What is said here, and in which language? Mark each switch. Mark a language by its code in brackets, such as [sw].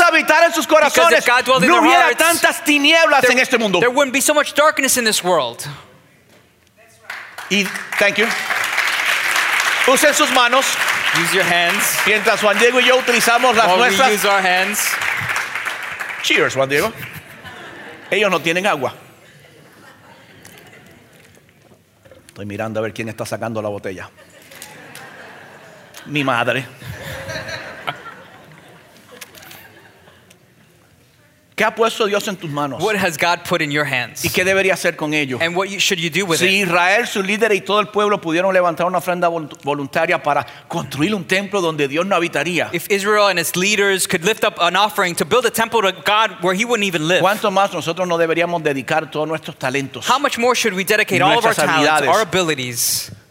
[es] Porque si Dios habitara en sus corazones, no hubiera tantas tinieblas en este mundo. [en] There wouldn't be so much darkness in this world. [es] Y, [en] thank you. [es] Usen sus manos. [en] Use your hands. [es] Mientras Juan Diego y yo utilizamos las nuestras. [en] We use our hands. Cheers, [es] Juan Diego. Ellos no tienen agua. Estoy mirando a ver quién está sacando la botella. Mi madre. ¿Qué ha puesto Dios en tus manos? [en] What has God put in your hands? [es] ¿Y qué debería hacer con ello? [en] And what should you do with [es] si Israel, su líder y todo el pueblo pudieron levantar una ofrenda voluntaria para construir un templo donde Dios no habitaría. [en] If Israel and its leaders could lift up an offering to build a temple to God where he wouldn't even live. [es] ¿Cuánto más nosotros no deberíamos dedicar todos nuestros talentos? [en] How much more should we dedicate all of our talents, our abilities?